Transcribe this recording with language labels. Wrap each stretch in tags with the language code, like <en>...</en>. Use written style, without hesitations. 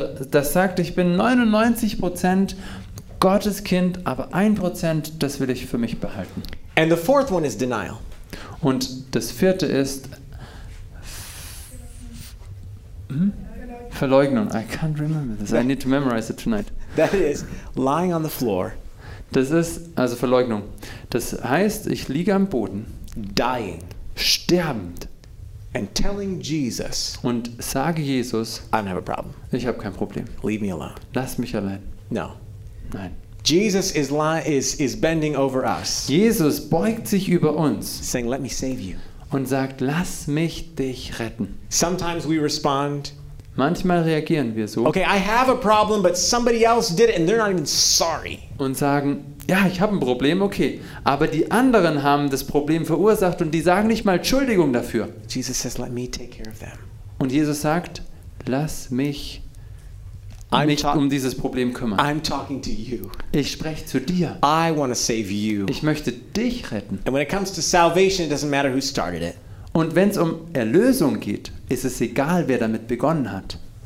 <de>Das sagt, ich bin 99% Gottes Kind, aber 1%, das will ich für mich behalten.</de> <en>And the fourth one is denial.</en> <de>Und das vierte ist Verleugnung.</de> <en>I can't remember this. I need to memorize it tonight. That is lying on the floor.</en> <de>Das ist also Verleugnung. Das heißt, ich liege am Boden.</de> <en>Dying.</en> <de>Sterbend.</de> <en>And telling Jesus.</en> <de>Und sage Jesus.</de> <en>I don't have a problem.</en> <de>Ich habe kein Problem.</de> <en>Leave me alone.</en> <de>Lass mich allein.</de> <en>No.</en> <de>Nein.</de> <en>Jesus is bending over us.</en> <de>Jesus beugt sich über uns.</de> <en>Saying, let me save you.</en> <de>Und sagt, lass mich dich retten.</de> <en>Sometimes we respond.</en> <de>Manchmal reagieren wir so.</de> <en>Okay, I have a problem, but somebody else did it and they're not even sorry.</en> <de>Und sagen, ja, ich habe ein Problem, okay, aber die anderen haben das Problem verursacht und die sagen nicht mal Entschuldigung dafür.</de> <en>Jesus says, let me take care of them.</en> <de>Und Jesus sagt, lass mich um dieses Problem kümmern.</de> <en>I'm talking to you.</en> <de>Ich spreche zu dir.</de> <en>I want to save you.</en> <de>Ich möchte dich retten.</de> <en>And when it comes to salvation, it doesn't matter who started it.</en> <de>Und wenn es um Erlösung geht, ist es egal, wer damit begonnen hat.</de>